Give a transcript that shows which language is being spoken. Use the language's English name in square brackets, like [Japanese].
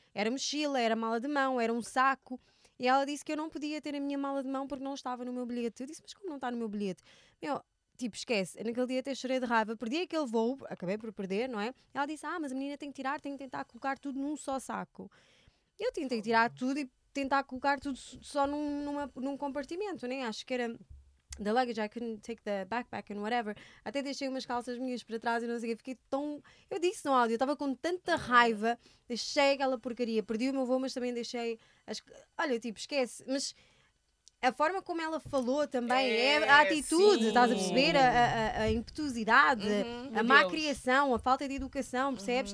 [Portuguese] Era mochila, era mala de mão, era um saco, e ela disse que eu não podia ter a minha mala de mão porque não estava no meu bilhete. Eu disse, mas como não está no meu bilhete? Meu, tipo, esquece, naquele dia até chorei de raiva, perdi aquele voo, acabei por perder, não é? Ela disse, mas a menina tem que tirar, tem que tentar colocar tudo num só saco. Eu tentei tirar tudo e tentar colocar tudo só num compartimento, né? Acho que era [English] the luggage, I couldn't take the backpack and whatever. [Portuguese] Até deixei umas calças minhas para trás e não sei o que, fiquei tão... Eu disse no áudio, eu estava com tanta raiva, deixei aquela porcaria, perdi o meu voo, mas também deixei... Olha, tipo, esquece, mas... A forma como ela falou também, a atitude, estás a perceber? A impetuosidade, a má criação, a falta de educação, percebes?